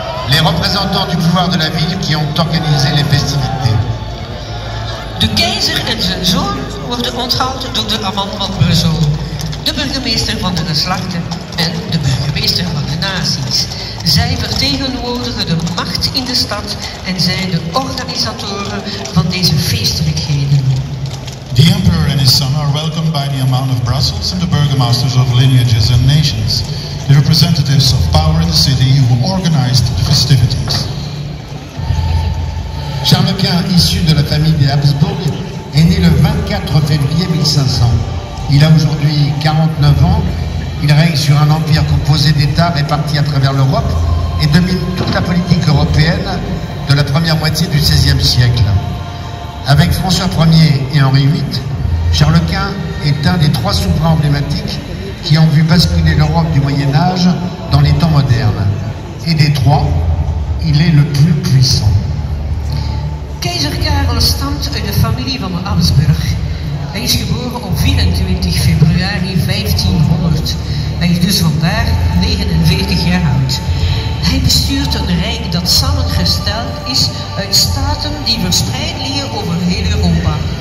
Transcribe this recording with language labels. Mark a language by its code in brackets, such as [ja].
[fr] les représentants du pouvoir de la ville qui ont organisé les festivités. [nl] De keizer en zijn zoon worden onthaald door de amant van Brussel, de burgemeester van de geslachten en de burgemeester van de naties. Zij vertegenwoordigen de macht in de stad en zijn de organisatoren van deze feestelijkheden. [en] The emperor and his son are welcomed by the amount of Brussels and the burgomasters of lineages and nations, the representatives of power in the city who organized the festivities. [fr] Charles Quint, issu de la famille des Habsbourg, est né le 24 février 1500. Il a aujourd'hui 49 ans. Il règne sur un empire composé d'États répartis à travers l'Europe et domine toute la politique européenne de la première moitié du XVIe siècle. Avec François Ier et Henri VIII, Charles Quint est un des trois souverains emblématiques qui ont vu basculer l'Europe du Moyen Âge dans les temps modernes. Et des trois, il est le plus puissant. [nl] Keizer Karel stamt uit de familie van Habsburg. Hij is geboren op 24 februari 1500. Hij is dus vandaag 49 jaar oud. Hij bestuurt een rijk dat samengesteld is uit staten die verspreid liggen over heel Europa.